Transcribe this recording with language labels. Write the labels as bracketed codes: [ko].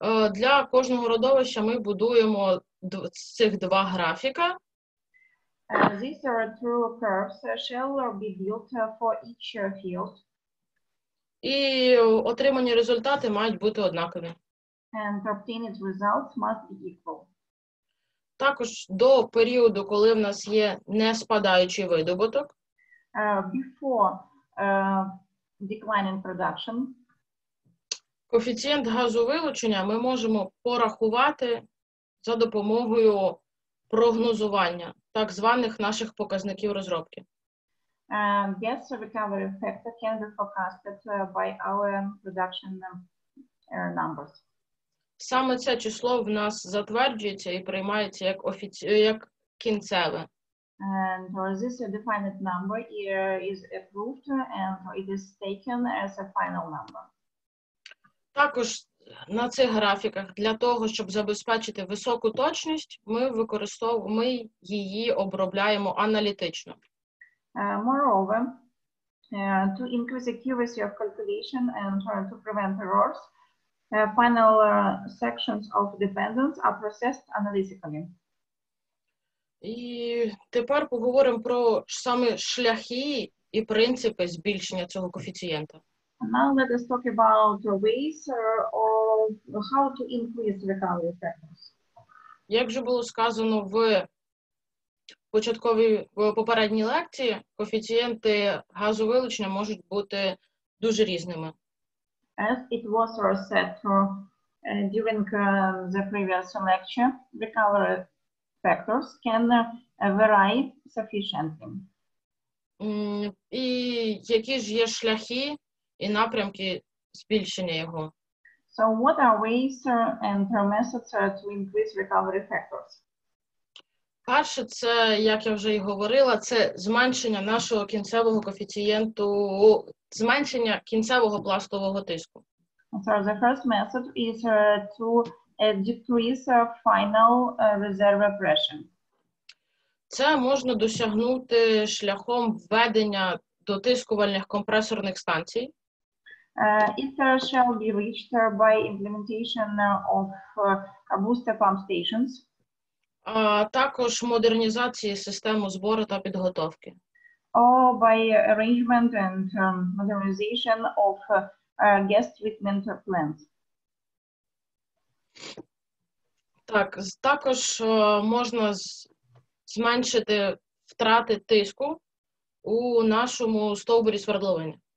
[uk] Для кожного родовища ми будуємо цих два графіка. [en] These are two curves shall be built for each field. [uk] І отримані результати мають бути однакові. [en] And obtained results must be equal. [uk] Також до періоду, коли в нас є не спадаючий видобуток. [en] Before declining production. [uk] Коефіцієнт газовилучення ми можемо порахувати за допомогою прогнозування так званих наших показників розробки. [en] Yes, recovery factor can be forecasted by our production numbers. [uk] Саме це число в нас затверджується і приймається як як кінцеве. [en] And this defined number is approved and it is taken as a final number. [uk] Також на цих графіках для того, щоб забезпечити високу точність, ми її обробляємо аналітично. [en] Moreover, to increase accuracy of calculation and to prevent errors, final sections of dependence are processed analytically. [uk] І тепер поговоримо про саме шляхи і принципи збільшення цього коефіцієнта. [en] Now let us talk about ways of how to increase recovery factors. [uk] Як вже було сказано в початковій попередній лекції, коефіцієнти газовилучення можуть бути дуже різними. [en] As it was said during the previous lecture, recovery factors can vary sufficiently. [uk] І які ж є шляхи і напрямки збільшення його? [en] So what are ways and methods to increase recovery factors? [uk] Перше, це, як я вже і говорила, це зменшення нашого кінцевого коефіцієнту, зменшення кінцевого пластового тиску. [en] So the first method is to decrease final reserve pressure. [uk] Це можна досягнути шляхом введення дотискувальних компресорних станцій. [en] It shall be reached by implementation of booster pump stations. [uk] Також модернізації систем збору та підготовки. [en] Or by arrangement and modernization of gas treatment plants. [uk] Так, також можна зменшити втрати тиску у нашому стовбурі свердловини.